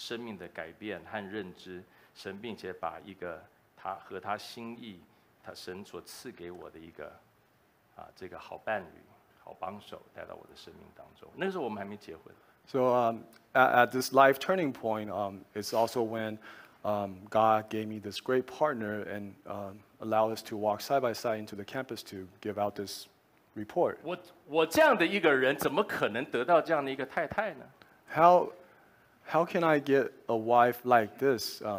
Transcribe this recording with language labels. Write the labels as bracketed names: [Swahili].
[Chinese] 在我人生转捩点的时候，不但在学业上面的改变，因为神让我对我自己生命的改变和认知。神并且把一个他和他心意，他神所赐给我的一个这个好伴侣、好帮手带到我的生命当中。那时候我们还没结婚。So [English] at this life turning point, it's also when God gave me this great partner and allowed us to walk side by side into the campus to give out this report. [Chinese] 我这样的一个人，怎么可能得到这样的一个太太呢？ [English] How can I get a wife like this?